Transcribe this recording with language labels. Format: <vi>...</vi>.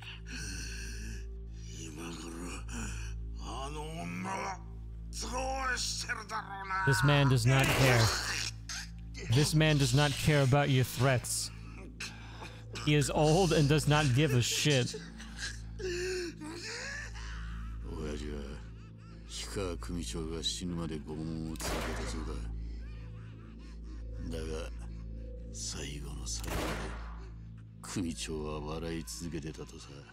<ja>今頃あの女はどうしてるだろうな。</ja> <en>This man does not care. This man does not care about your threats. He is old and does not give a shit.</en> <ja>親父は氷川組長が死ぬまで拷問を続けたそうだ。だが最後の最後で組長は笑い続けてたとさ。</ja>